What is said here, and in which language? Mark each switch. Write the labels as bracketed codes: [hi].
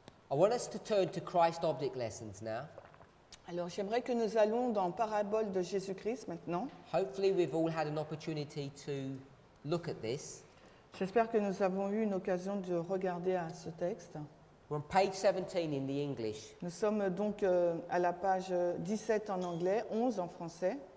[en] I want us to turn to Christ object lessons now. [fr] Alors, j'aimerais que nous allons dans parabole de Jésus-Christ maintenant. [en] Hopefully, we've all had an opportunity to look at this. [fr] J'espère que nous avons eu une occasion de regarder à ce texte. [en] We're on page 17 in the English. [fr] Nous sommes donc à la page 17 en anglais, 11 en français.